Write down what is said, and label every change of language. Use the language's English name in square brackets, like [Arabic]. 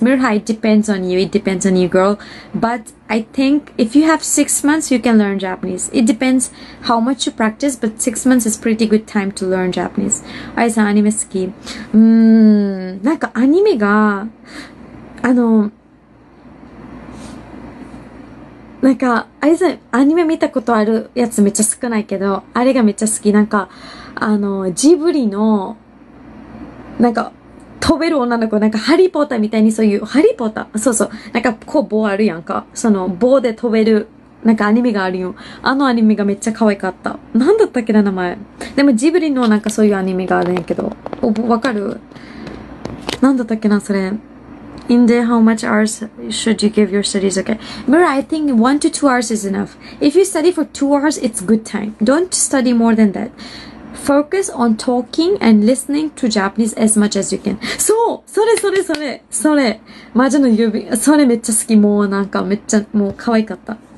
[English] Mirha, it depends on you. It depends on you, girl. But I think if you have 6 months, you can learn Japanese. It depends how much you practice, but 6 months is pretty good time to learn Japanese. [Japanese] Ai さん、アニメ好き？なんかアニメが、あの、なんか、Ai さん、アニメ見たことあるやつめっちゃ少ないけど、あれがめっちゃ好き。なんか、あのジブリのなんか飛べる女の子、なんかハリーポーターみたいに、そういうハリーポーター、そうそう、なんかこう棒あるやんか、その棒で飛べるなんかアニメがあるよ。あのアニメがめっちゃ可愛かった。なんだったっけな名前。でもジブリのなんかそういうアニメがあるんやけど、わかる？なんだったっけなそれ。 [English] In day, how much hours should you give your studies? Okay. Mira, I think 1 to 2 hours is enough. If you study for 2 hours, it's good time. Don't study more than that. Focus on talking and listening to Japanese as much as you can. [Japanese] そう、それ。マジの指、それめっちゃ好き。もうなんかめっちゃ、もう可愛かった。